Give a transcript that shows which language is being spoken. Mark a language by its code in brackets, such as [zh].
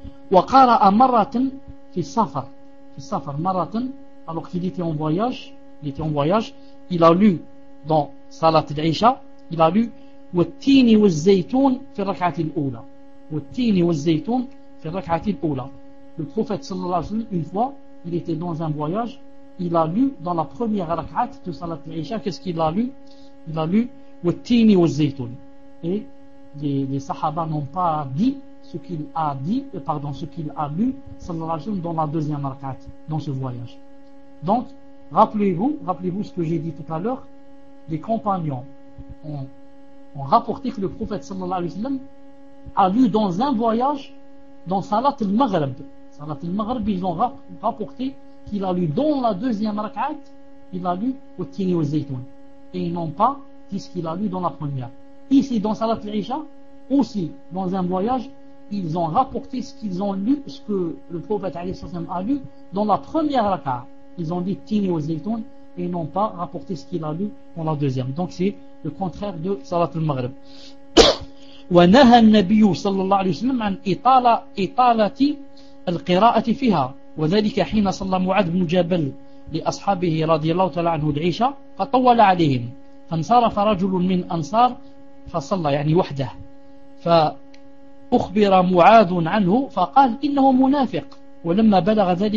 [ar] وقرا مره في السفر, في السفر مره, [fr] alors qu'il était en voyage, il a lu [ar] dans salat al-Isha, il a lu والتين والزيتون في الركعه الاولى, والتين والزيتون في الركعه الاولى. [fr] Le prophète sallallahu alayhi wa sallam, une fois il était dans un voyage, il a lu dans la première rak'at de salat al-Isha, qu'est-ce qu'il a lu? Il a lu [ar] والتين والزيتون. [fr] Et les Sahaba n'ont pas dit ce qu'il a dit, pardon, ce qu'il a lu dans la deuxième rakat, dans ce voyage. Donc, rappelez-vous ce que j'ai dit tout à l'heure. Les compagnons ont rapporté que le prophète sallallahu alayhi wa sallam a lu dans un voyage, dans Salat al-Maghrib. Salat al-Maghrib, ils ont rapporté qu'il a lu dans la deuxième rak'at, il a lu au tini au zaytoun. Et ils n'ont pas dit ce qu'il a lu dans la première. Ici, dans Salat al-Isha, aussi dans un voyage, ils ont rapporté ce qu'ils ont lu, ce que le prophète alayhi wa sallam a lu dans la première rak'at. Ils ont dit tini au zaytoun et n'ont pas rapporté ce qu'il a lu dans la deuxième. Donc c'est le contraire de Salat al-Maghrib. [ar] ونهى النبي صلى الله عليه وسلم عن إطالة القراءة فيها وذلك حين صلى معاذ بن جبل لأصحابه رضي الله تعالى عنه العشاء فطول عليهم فانصرف رجل من أنصار فصلى يعني وحده فأخبر معاذ عنه فقال إنه منافق ولما بلغ